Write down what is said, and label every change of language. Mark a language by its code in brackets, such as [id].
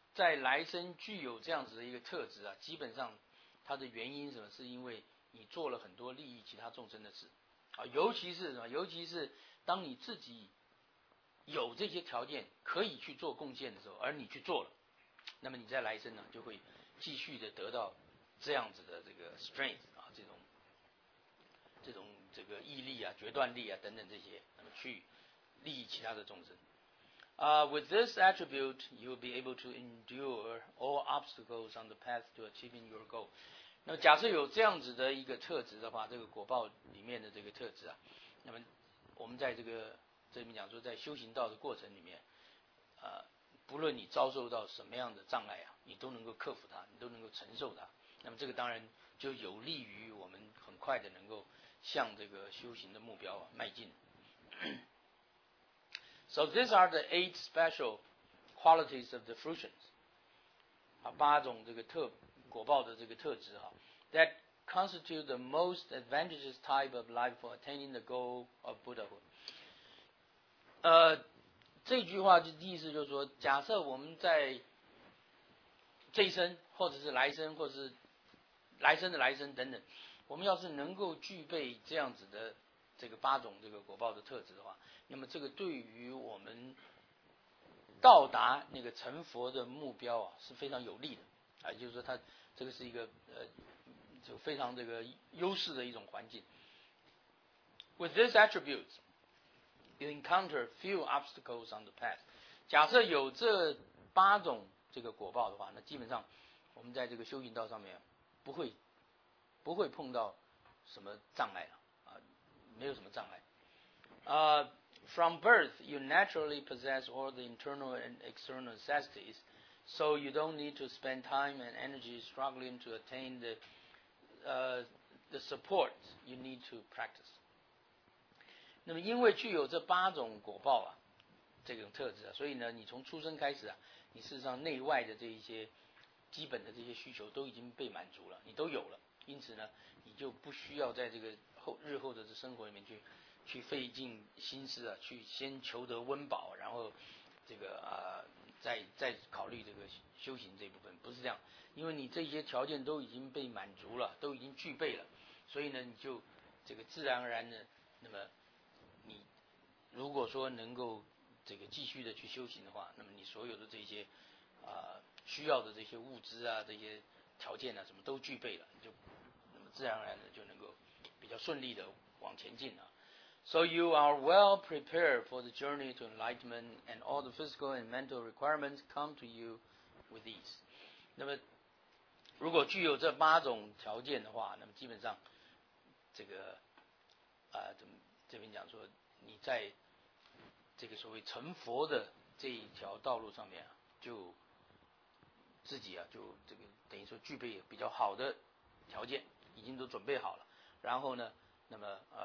[zh] 在来生具有这样子的一个特质啊，基本上它的原因什么，是因为你做了很多利益其他众生的事啊，尤其是什么，尤其是当你自己有这些条件可以去做贡献的时候，而你去做了，那么你在来生呢就会继续的得到这样子的这个 strength 啊，这种这个毅力啊、决断力啊等等这些，那么去利益其他的众生。 [en] With this attribute, you will be able to endure all obstacles on the path to achieving your goal. [zh] 那么假设有这样子的一个特质的话，这个果报里面的这个特质啊，那么我们在这里面讲说，在修行道的过程里面，不论你遭受到什么样的障碍啊，你都能够克服它，你都能够承受它。那么这个当然就有利于我们很快的能够向这个修行的目标啊迈进。 [en] So these are the eight special qualities of the fruitions. [zh] 八种这个果报的这个特质哈 [en] ，that constitute the most advantageous type of life for attaining the goal of Buddhahood. [zh] 这句话的意思就是说，假设我们在这一生，或者是来生，或者是来生的来生等等，我们要是能够具备这样子的这个八种这个果报的特质的话，那么这个对于我们到达那个成佛的目标啊是非常有利的啊，就是说它这个是一个就非常这个优势的一种环境。 [en] With this attribute, you encounter few obstacles on the path. [zh] 假设有这八种这个果报的话，那基本上我们在这个修行道上面不会碰到什么障碍了。没有什么障碍。 [en] From birth, you naturally possess all the internal and external necessities, so you don't need to spend time and energy struggling to attain the support you need to practice. [zh] 那么因为具有这八种果报啊，这种特质啊，所以呢，你从出生开始啊，你事实上内外的这一些基本的这些需求都已经被满足了，你都有了，因此呢，你就不需要在这个日后的生活里面去费尽心思啊，去先求得温饱，然后这个再考虑这个修行这部分，不是这样，因为你这些条件都已经被满足了，都已经具备了，所以呢，你就这个自然而然的，那么你如果说能够这个继续的去修行的话，那么你所有的这些需要的这些物资啊，这些条件啊，什么都具备了，就那么自然而然的就能够比较顺利的往前进了。 [en] So you are well prepared for the journey to enlightenment and all the physical and mental requirements come to you with ease. [zh] 那么如果具有这八种条件的话，那么基本上这个这边讲说你在这个所谓成佛的这一条道路上面，就自己啊就这个等于说具备比较好的条件，已经都准备好了，然后呢，那么